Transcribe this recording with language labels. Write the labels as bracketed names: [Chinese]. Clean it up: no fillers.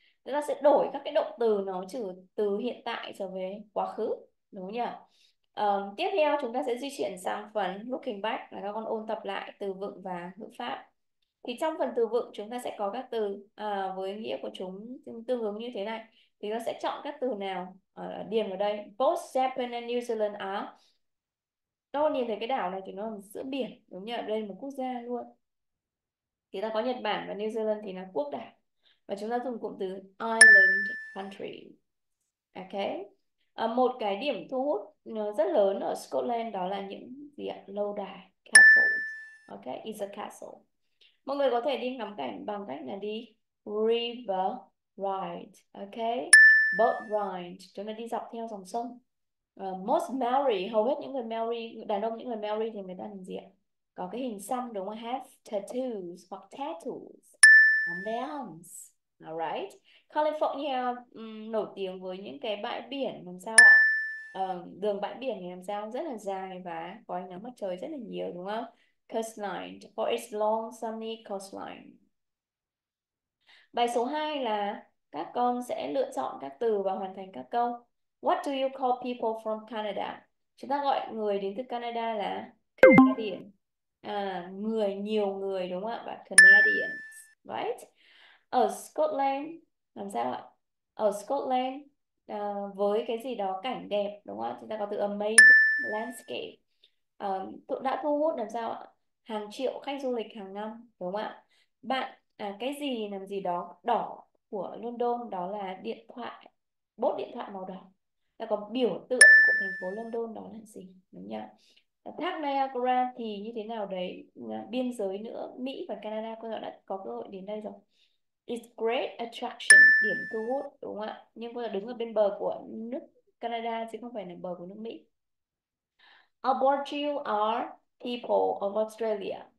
[Vietnamese] Chúng ta sẽ đổi các cái động từ nó trừ từ hiện tại trở về quá khứ đúng không nhỉ? Tiếp theo chúng ta sẽ di chuyển sang phần looking back là các con ôn tập lại từ vựng và ngữ pháp. Thì trong phần từ vựng chúng ta sẽ có các từ với nghĩa của chúng tương ứng như thế này. Thì nó sẽ chọn các từ nào điền vào đây. [English] Both Japan and New Zealand are. [Vietnamese] Các con nhìn thấy cái đảo này thì nó ở giữa biển đúng nhỉ? Đây là một quốc gia luôn. Thì ta có Nhật Bản và New Zealand thì là quốc đảo. Và chúng ta dùng cụm từ island country. Ok. Một cái điểm thu hút nó rất lớn ở Scotland đó là những gì ạ? Lâu đài, castles. [English] Ok, is a castle. [Vietnamese] Mọi người có thể đi ngắm cảnh bằng cách là đi river ride, ok, boat ride, chúng ta đi dọc theo dòng sông. Most Maori, hầu hết những người Maori, đàn ông những người Maori thì người ta làm gì ạ? Có cái hình xăm đúng không? [English] Have tattoos hoặc tattoos on their arms. Alright. [Vietnamese] California nổi tiếng với những cái bãi biển làm sao ạ? Đường bãi biển thì làm sao? Rất là dài và có ánh nắng mặt trời rất là nhiều đúng không? [English] Coastline or its long sunny coastline. [Vietnamese] Bài số 2 là các con sẽ lựa chọn các từ và hoàn thành các câu. [English] What do you call people from Canada? [Vietnamese] Chúng ta gọi người đến từ Canada là Canadian. À, người nhiều người đúng không ạ? Và Canadians, right? Ở Scotland, làm sao ạ? Ở Scotland, với cái gì đó cảnh đẹp đúng không ạ? Chúng ta có từ amazing landscape. Tụi đã thu hút làm sao ạ? Hàng triệu khách du lịch hàng năm đúng không ạ? Bạn, cái gì làm gì đó đỏ của London đó là điện thoại, bốt điện thoại màu đỏ. Là có biểu tượng của thành phố London đó là gì? Đúng không ạ? Thác Niagara thì như thế nào đấy? Biên giới nữa, Mỹ và Canada, cô đã có cơ hội đến đây rồi. [English] It's great attraction, [Vietnamese] điểm thu hút, đúng không ạ? Nhưng cô đã đứng ở bên bờ của nước Canada chứ không phải là bờ của nước Mỹ. [English] Aboriginal are people of Australia.